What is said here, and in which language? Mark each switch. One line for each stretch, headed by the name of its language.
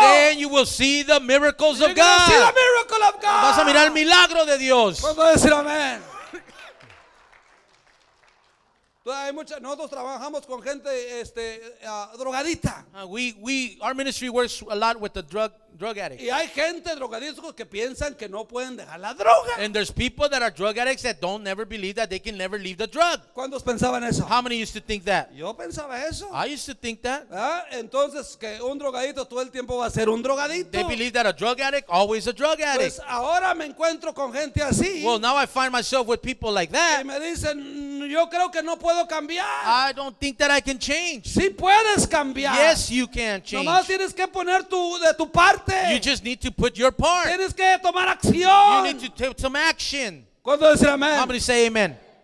English: Then you will see the miracles of God. You're going to see the miracle of God.
Spanish: Vas a mirar el milagro de Dios. ¿Puedo decir amén? Hay mucha, nosotros trabajamos con gente drogadita.
English: We our ministry works a lot with the drug addicts.
Spanish: Y hay gente drogadictos que piensan que no pueden dejar la droga.
English: And there's people that are drug addicts that don't never believe that they can never leave the drug.
Spanish: ¿Cuántos pensaban eso?
English: How many used to think that?
Spanish: Yo pensaba eso.
English: I used to think that.
Spanish: Entonces que un drogadito todo el tiempo va a ser un drogadito.
English: They believe that a drug addict always a drug addict.
Spanish: Pues ahora me encuentro con gente así.
English: Well, now I find myself with people like that.
Spanish: Y me dicen, yo creo que no puedo cambiar.
English: I don't think that I can change.
Spanish: Sí puedes cambiar.
English: Yes, you can change.
Spanish: Nomás tienes que poner tu de tu parte.
English: You just need to put your part.
Spanish: Tienes que tomar acción.
English: You need to take some action.
Spanish: ¿Cuándo decir amén?
English: How many say amen?